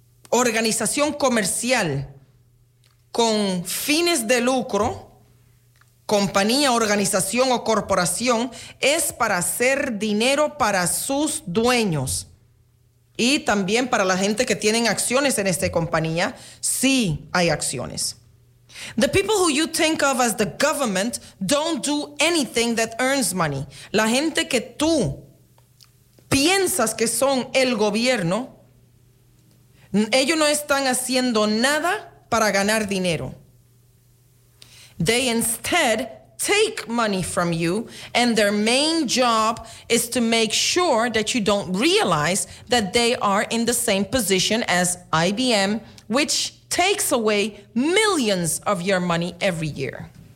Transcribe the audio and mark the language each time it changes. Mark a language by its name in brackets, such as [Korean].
[Spanish] organización comercial con fines de lucro, compañía, organización o corporación, es para hacer dinero para sus dueños y también para la gente que tienen acciones en esta compañía, si hay acciones. [English] The people who you think of as the government don't do anything that earns money. [Spanish] La gente que tú piensas que son el gobierno, ellos no están haciendo nada para ganar dinero. [English] They instead take money from you, and their main job is to make sure that you don't realize that they are in the same position as IBM, which takes away millions of your money every year.